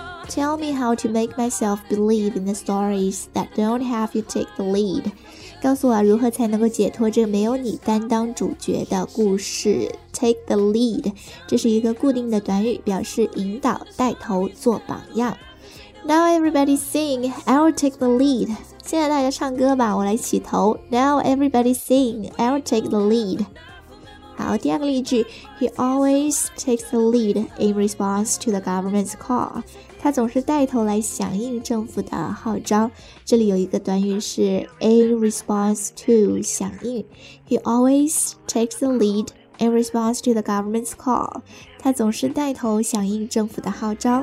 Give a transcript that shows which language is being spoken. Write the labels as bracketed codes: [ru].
[en] Tell me how to make myself believe in the stories that don't have you take the lead. [zh] 告诉我如何才能够解脱这个没有你担当主角的故事。 Take the lead， 这是一个固定的短语，表示引导、带头、做榜样。 [en] Now everybody sing, I'll take the lead. [zh] 现在大家唱歌吧，我来起头。 [en] Now everybody sing, I'll take the lead. [zh] 好，第二个例句 [en] ，He always takes the lead in response to the government's call. [zh] 他总是带头来响应政府的号召。这里有一个短语是 in response to 响应。 [en] He always takes the lead in response to the government's call. [zh] 他总是带头响应政府的号召。